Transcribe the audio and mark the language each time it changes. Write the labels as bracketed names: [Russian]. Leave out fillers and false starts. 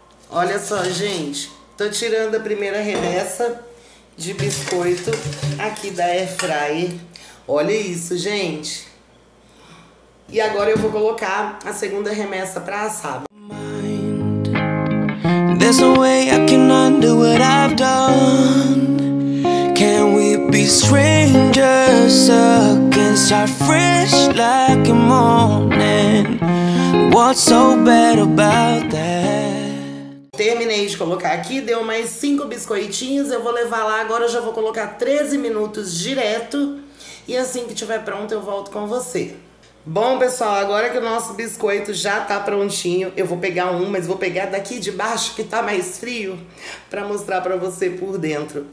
[Portuguese] Olha só, gente, tô tirando a primeira remessa de biscoito aqui da air fryer. Olha isso, gente. E agora eu vou colocar a segunda remessa pra assar. [English] There's no way I can undo what I've done. Can we be strangers again? Start fresh like a morning. What's so bad about that? [Portuguese] Terminei de colocar aqui, deu mais 5 biscoitinhos. Eu vou levar lá agora. Eu já vou colocar 13 minutos direto. E assim que tiver pronto, eu volto com você. Bom, pessoal, agora que o nosso biscoito já tá prontinho, eu vou pegar um, mas vou pegar daqui de baixo que tá mais frio para mostrar para você por dentro.